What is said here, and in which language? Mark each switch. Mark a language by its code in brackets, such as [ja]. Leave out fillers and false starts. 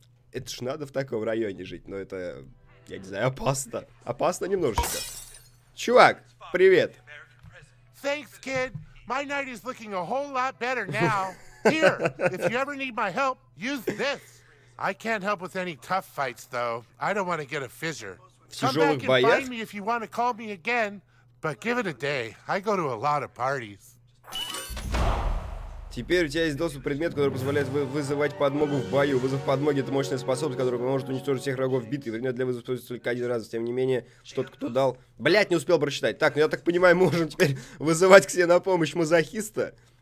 [ru] Это ж надо в таком районе жить, но это, я не знаю, опасно. Опасно немножечко. Чувак, привет. [en] Thanks, kid. My night is looking a whole lot better now. Here, if you ever need my help, use this. I can't help with any tough fights, though. I don't want to get a fissure. Come back and find me if you want to call me again, but give it a day. I go to a lot of parties. [ru] Теперь у тебя есть доступ к предмету, который позволяет вызывать подмогу в бою. Вызов подмоги — это мощная способность, которая поможет уничтожить всех врагов в битве. Предмет для вызова используется только один раз. Тем не менее, что-то кто дал... Блять, не успел прочитать. Так, ну я так понимаю, мы можем теперь вызывать к себе на помощь мазохиста?